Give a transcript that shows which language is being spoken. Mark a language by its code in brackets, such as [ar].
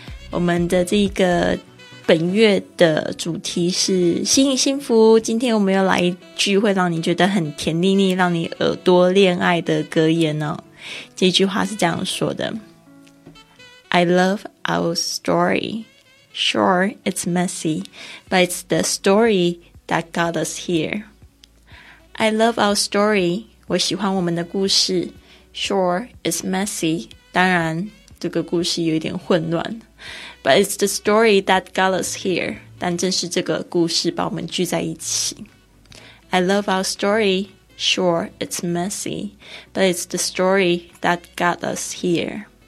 [zh] 我们的这个本月的主题是心理幸福，今天我们又来一句会让你觉得很甜腻腻，让你耳朵恋爱的格言哦。这句话是这样说的， I love our story. [en] Sure, it's messy, but it's the story that got us here. I love our story. 我喜欢我们的故事。 Sure, it's messy. 当然这个故事有一点混乱， But it's the story that got us here. [zh] 但正是这个故事把我们聚在一起。 [en] I love our story. Sure, it's messy, but it's the story that got us here.